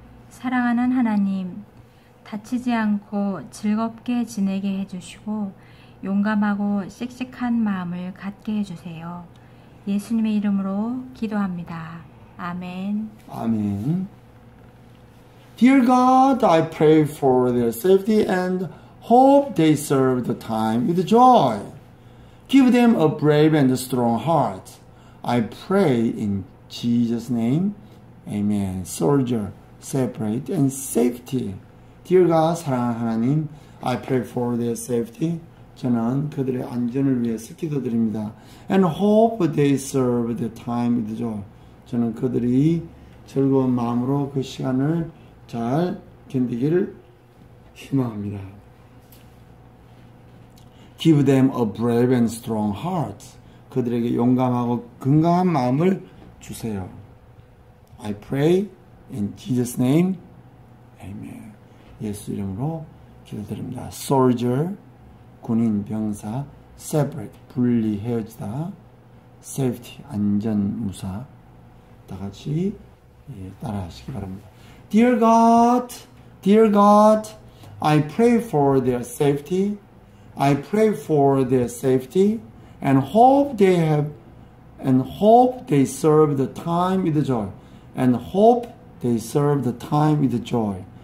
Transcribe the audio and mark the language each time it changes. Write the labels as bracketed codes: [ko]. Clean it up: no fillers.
[ko] 사랑하는 하나님, 다치지 않고 즐겁게 지내게 해주시고 용감하고 씩씩한 마음을 갖게 해주세요. 예수님의 이름으로 기도합니다. 아멘. 아멘. [en] Dear God, I pray for their safety and hope they serve the time with joy. Give them a brave and strong heart. I pray in Jesus' name. Amen. Soldier, separate and safety. Dear God, [ko] 사랑하는 하나님, [en] I pray for their safety. [ko] 저는 그들의 안전을 위해서 기도드립니다. [en] And hope they serve the time with joy. [ko] 저는 그들이 즐거운 마음으로 그 시간을 잘 견디기를 희망합니다. [en] Give them a brave and strong heart. [ko] 그들에게 용감하고 건강한 마음을 주세요. [en] I pray in Jesus' name. Amen. [ko] 예수 이름으로 기도드립니다. Soldier, 군인, 병사, separate, 분리, 헤어지다, safety, 안전, 무사. 다 같이 따라하시기 바랍니다. [en] Dear God, dear God, I pray for their safety. I pray for their safety and hope they have and hope they serve the time with joy and hope they serve the time with joy.